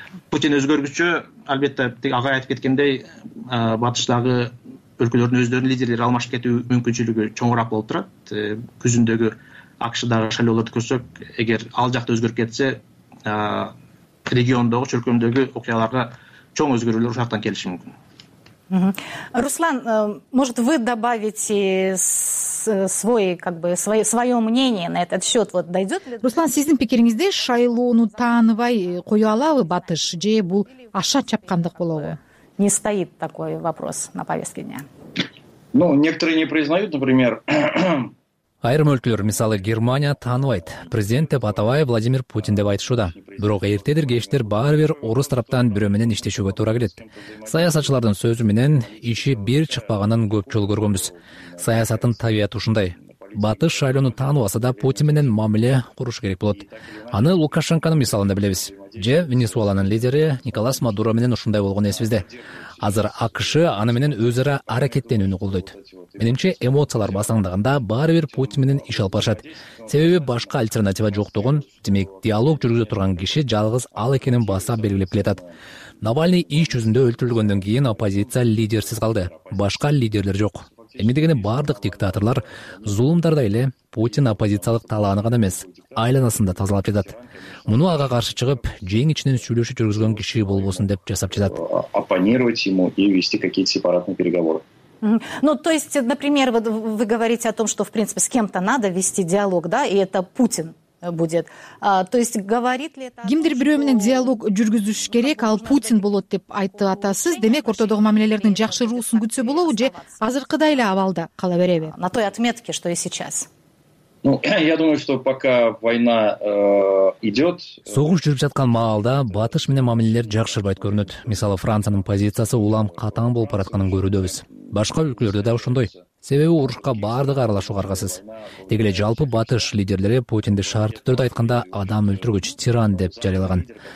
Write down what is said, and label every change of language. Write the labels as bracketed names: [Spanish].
[Kyrgyz] Путин өзгөргүчө, албетте ага айтып кеткендей, батыштагы өлкөлөрдүн өздөрүн лидерлери алмашып кетүү мүмкүнчүлүгү чоңураак болуп турат. Күзүндөгү АКШ-дагы шайлоолорду көрсөк, эгер ал жакта өзгөрүп кетсе, региондогу чөлкөмдөгү окуяларга чоң өзгөрүүлөр ушактан келиши мүмкүн. [Russian] Руслан, может вы добавите свой, как бы, свое мнение на этот счет? Вот дойдет ли? [Kyrgyz] Руслан, сиздин пикириңизде шайлоону тааныбай кое алабы батыш, же бул аша чапкандык болобу? [Russian] Не стоит такой вопрос на повестке дня. Ну, некоторые не признают, например. [Kyrgyz] Айрым өлкөлөр, мисалы Германия, тааныбайт. Президент деп атабай, Владимир Путин деп айтышууда. Бирок эртедир кечтер баары бир орус тараптан бирөө менен иштешүүгө туура келет. Саясатчылардын сөзү менен иши бир чыкпаганын көп жолу көргөнбүз. Саясатын табияты ушундай. Батыш шайлоону тааныбаса да Путин менен мамиле куруш керек болот. Аны Лукашенконун мисалында билебиз. Же Венесуэланын лидери Николас Мадуро менен ушундай болгон эсибизде. Азыр АКШ аны менен өз ара аракеттенүүнү колдойт. Менимче эмоциялар басаңдаганда баары бир Путин менен иш алып барышат. Себеби башка альтернатива жоктугун, демек диалог жүргүзө турган киши жалгыз ал экенин баса белгилеп келатат. Навальный иш жүзүндө өлтүрүлгөндөн кийин оппозиция лидерсиз калды. Башка лидерлер жок. Эми дегени бардык диктаторлор зулумдардай эле Путин оппозициялык талааны гана эмес, айланасын да тазалап жатат. Муну ага каршы чыгып, жең ичинен сүйлөшүп жүргүзгөн киши болбосун деп жасап жатат. [Russian] Оппонировать ему и вести какие-то сепаратные переговоры. Ну, то есть, например, вот вы говорите о том, что, в принципе, с кем-то надо вести диалог, да, и это Путин будет. То есть, говорит ли это... [Kyrgyz] Кимдир бирөө менен диалог жүргүзүш керек, ал Путин болот деп айтып атасыз. Демек, ортодогу мамилелердин жакшыруусун күтсө болобу, же азыркыдай эле абалда кала береби? [Russian] На той отметке, что и сейчас. Ну, я думаю, что пока война идет... [Kyrgyz] Согуш жүрүп жаткан маалда батыш менен мамилелер жакшырбайт көрүнөт. Мисалы, Франциянын позициясы улам катаң болуп баратканын көрүүдөбүз. Башка өлкөлөрдө да ошондой. Себеби урушка баардыгы аралашууга аргасыз. Деги эле жалпы батыш лидерлери Путинди шарттуу түрдө айтканда адам өлтүргүч тиран деп жарыялаган.